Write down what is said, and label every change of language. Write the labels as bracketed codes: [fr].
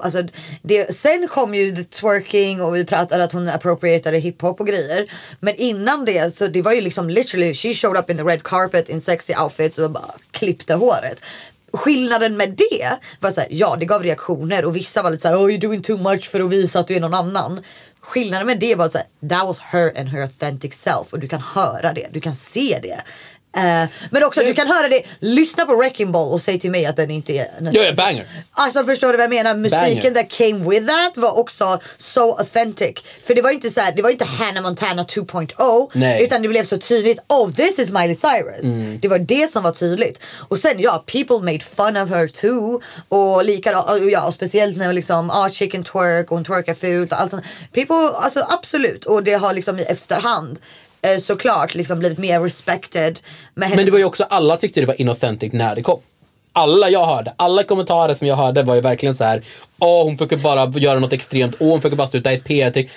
[sv] Alltså, sen kom ju [en] the twerking [sv] och vi pratade att hon appropriatade hiphop och grejer. Men innan det, så det var ju liksom [en] literally, she showed up in the red carpet in sexy outfits [sv] och bara klippte håret. Skillnaden med det var såhär, ja det gav reaktioner och vissa var lite såhär, [en] oh, you're doing too much [sv] för att visa att du är någon annan. Skillnaden med det var såhär, [en] that was her and her authentic self. [sv] Och du kan höra det, du kan se det. Men också du kan höra det, lyssna på Wrecking Ball och säg till mig att den inte är en banger. Alltså förstår du vad jag menar, musiken banger. [en] That came with that [sv] var också [en] so authentic. [sv] För det var inte såhär, det var inte Hannah Montana 2.0. Nej. Utan det blev så tydligt, [en] oh this is [sv] Miley Cyrus. Det var det som var tydligt. Och sen ja, [en] people made fun of her too. [sv] Och likadant, ja och speciellt när liksom, chicken twerk och hon twerkar fult och allt sånt. People, alltså absolut. Och det har liksom i efterhand såklart liksom blivit mer respected. Men det var ju också, alla tyckte det var inauthentic när det kom. Alla jag hörde, alla kommentarer som jag hörde var ju verkligen så här: åh, hon försöker bara göra något extremt, åh, hon försöker bara sluta ett PR-trick.